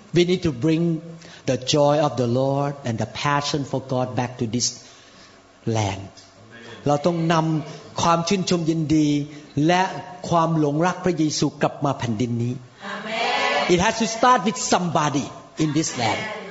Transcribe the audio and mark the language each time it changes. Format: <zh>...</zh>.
<en>We need to bring the joy of the Lord and the passion for God back to this land.</en> <th>เราต้องนำความชื่นชมยินดีและความหลงรักพระเยซูกลับมาแผ่นดินนี้</th> <en>It has to start with somebody in this land.</en>